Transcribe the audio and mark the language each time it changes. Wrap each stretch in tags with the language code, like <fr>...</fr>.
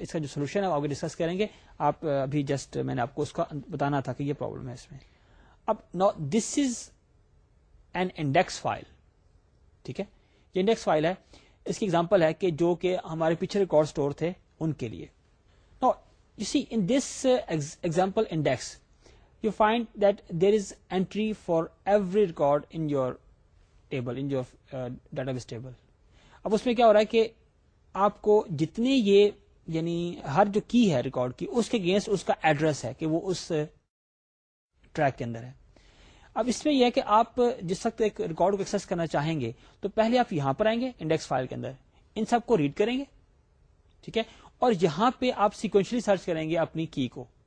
<ur>اس کا جو solution ہے وہ آگے discuss کریں گے. آپ ابھی جسٹ میں نے آپ کو اس کا بتانا تھا کہ یہ problem ہے اس میں. اب</ur> <en>now this is an index file.</en> <ur>ٹھیک ہے, یہ index file ہے. اس کی example ہے کہ جو کہ ہمارے پیچھے ریکارڈ اسٹور تھے ان کے لیے.</ur> <en>Now you see in this example index you find that there is entry for every record in your table, in your database table.</en> <ur>اب اس میں کیا ہو رہا ہے کہ آپ کو جتنے یہ یعنی ہر جو کی ہے ریکارڈ کی اس کے اگینسٹ اس کا ایڈریس ہے کہ وہ اس ٹریک کے اندر ہے. اب اس میں یہ ہے کہ آپ جس وقت ایک ریکارڈ کو ایکسس کرنا چاہیں گے تو پہلے آپ یہاں پر آئیں گے انڈیکس فائل کے اندر, ان سب کو ریڈ کریں گے, ٹھیک ہے, اور یہاں پہ آپ سیکوینشلی سرچ کریں گے اپنی کی کو.</ur>